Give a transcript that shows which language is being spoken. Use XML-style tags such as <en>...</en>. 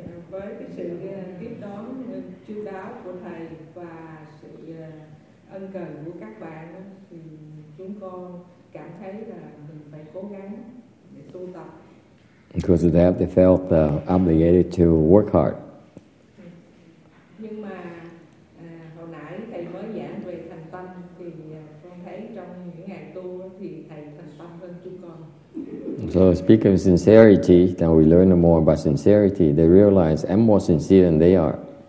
<vi>Với cái sự tiếp đón chu đáo của thầy và sự ân cần của các bạn thì chúng con cảm thấy là mình phải cố gắng để tu tập.</vi> <en>Because of that, they felt obligated to work hard.</en> <vi>Nhưng mà hồi nãy thầy mới giảng về thành tâm thì con thấy trong những ngày tu thì thầy thành tâm hơn chúng con.</vi> <en>So speak of sincerity, now we learn more about sincerity, they realize I'm more sincere than they are.</en>